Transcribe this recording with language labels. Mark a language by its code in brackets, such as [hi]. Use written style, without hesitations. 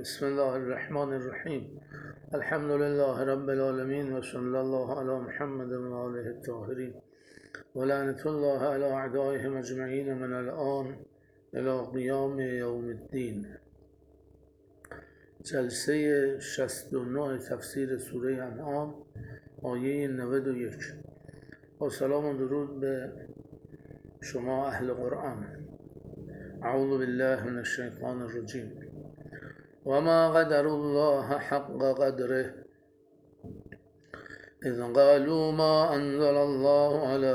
[ar] بسم الله الرحمن الرحيم. الحمد لله رب العالمين، وصلى الله على محمد وآله الطاهرين، ولعنة الله على أعدائهم أجمعين من الآن إلى قيام يوم الدين. [fa] جلسة 69 تفسير سورة أنعام آیه 91. با سلام و درود به شما اهل قرآن. [ar] اعوذ بالله من الشیطان الرجیم. و ما قدر الله حق قدره اذ قالوا ما انزل الله